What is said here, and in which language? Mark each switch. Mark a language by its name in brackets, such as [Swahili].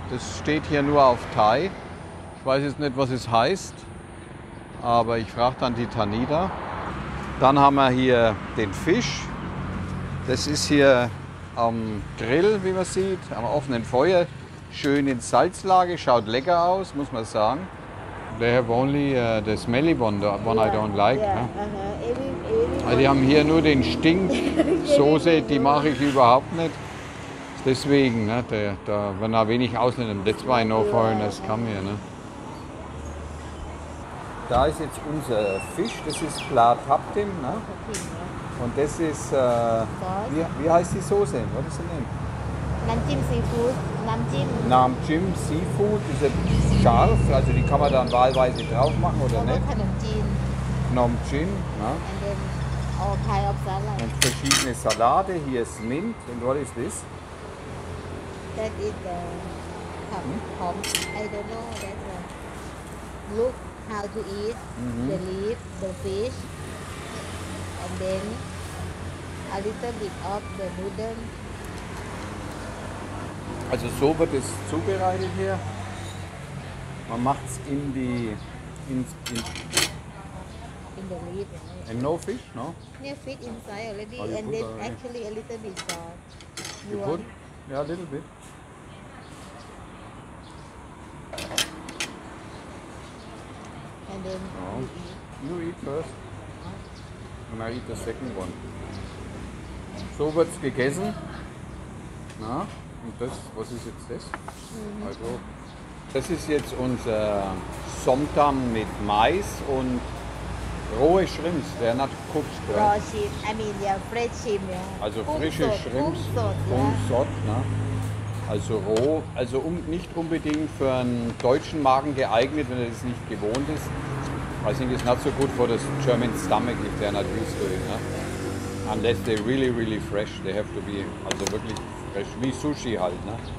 [German] Das steht hier nur auf Thai. Ich weiß jetzt nicht, was es heißt, aber ich frage dann die Tanita. Dann haben wir hier den Fisch. Das ist hier am Grill, wie man sieht, am offenen Feuer. Schön in Salzlage, schaut lecker aus, muss man sagen. [English] They have only the smelly one, the one I don't like. Yeah. Uh-huh. [German] Die haben hier nur den Stinksoße, die mache ich überhaupt nicht. Deswegen, ne, da werden auch wenig Ausländer. [English] That's why no foreigners come here. [German] Ne? Da ist jetzt unser Fisch, das ist Pla Thaptim, ne? Und das ist, wie heißt die Soße? Was ist der Name? Namjim Seafood. Namjim Seafood, ist scharf, also die kann man dann wahlweise drauf machen oder nicht? Namjim. Ne? [English] All kind of salad. [German] Und verschiedene Salate, hier ist Mint, und was ist das? [English] That is the I don't know, that's a look. How to eat the leaf, the fish, and then a little bit of the noodle. [German] Also so wird es zubereitet hier. Man macht es in die... In [English] the leaf. Right? And no fish, no? No fish inside already, and then actually a little bit salt. You put? Yeah, a little bit. And then you eat first. And I eat the second one. [German] So wird's gegessen. Na? Und das, was ist jetzt das? Mm-hmm. Also, das ist jetzt unser Somtam mit Mais und rohe Shrimps. [English] They're not cooked, right? Raw shrimp. I mean, fresh shrimp. Yeah. [German] Also frische Shrimps. [Thai] Kumsot, [German] ne? Also roh, also nicht unbedingt für einen deutschen Magen geeignet, wenn er das nicht gewohnt ist. [English] I think it's not so good for the German stomach, if they're not used to it. Ne? Unless they're really, really fresh, they have to be, [German] also wirklich fresh, wie Sushi halt. Ne?